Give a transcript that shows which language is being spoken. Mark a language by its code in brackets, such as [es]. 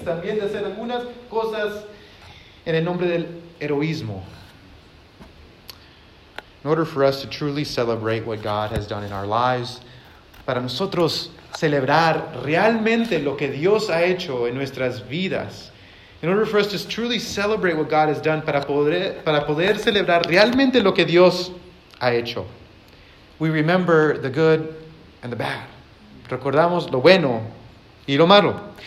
[es] También de hacer algunas cosas en el nombre del heroísmo. [en] In order for us to truly celebrate what God has done in our lives, [es] para nosotros celebrar realmente lo que Dios ha hecho en nuestras vidas. [en] In order for us to truly celebrate what God has done, [es] para poder celebrar realmente lo que Dios ha hecho. [en] We remember the good and the bad. [es] Recordamos lo bueno y lo malo.